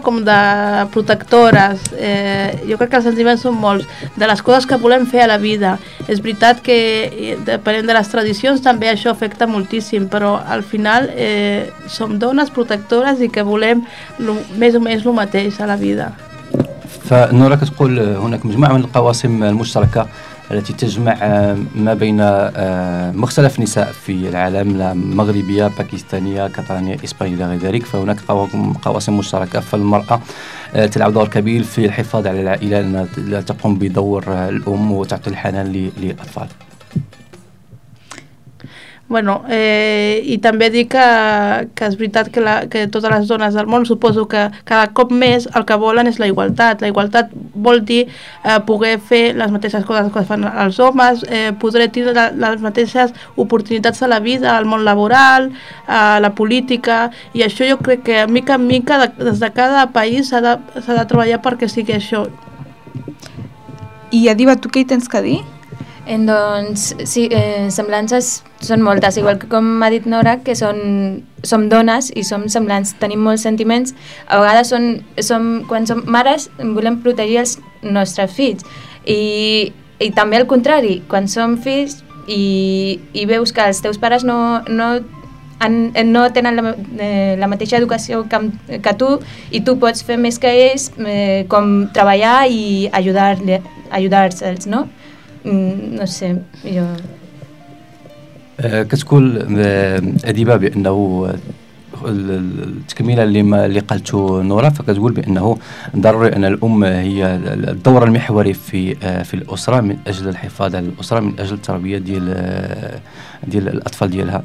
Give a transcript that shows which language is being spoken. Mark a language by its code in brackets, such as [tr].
[ca] Com de protectores. Jo crec que els sentiments són molts, de les coses que volem fer a la vida. És veritat que, depenent de les tradicions, també això afecta moltíssim, però al final som dones protectores i que volem més o menys el mateix a la vida. [ar] فنورا كتقول هناك مجموعة من القواسم المشتركة التي تجمع ما بين مختلف نساء في العالم المغربية باكستانية كاترانية إسبانية غير ذلك، فهناك قواسم مشتركة، فالمرأة تلعب دور كبير في الحفاظ على العائلة، لا تقوم بدور الأم وتعطي الحنان للأطفال. [ca] Bueno, i també dic que és veritat que, que totes les dones del món, suposo que cada cop més el que volen és la igualtat. La igualtat vol dir poder fer les mateixes coses que fan els homes, poder tenir les mateixes oportunitats a la vida, al món laboral, a la política, i això jo crec que mica en mica, des de cada país, s'ha de treballar perquè sigui això. I Adiba, tu què hi tens que dir? Doncs sí, semblances són moltes, igual que com ha dit Nora, que som dones i som semblants, tenim molts sentiments. A vegades quan som mares volem protegir els nostres fills, i també al contrari, quan som fills i veus que els teus pares no tenen la mateixa educació que tu, i tu pots fer més que ells, com treballar i ajudar-se'ls, no? No sé, jo... [ar] كتقول أديبة بأنه التكملة اللي قالته نورا، فكتقول بأنه ضروري أن الأم هي الدور المحوري في الأسرة، من أجل الحفاظ على الأسرة، من أجل التربية ديال الأطفال ديالها.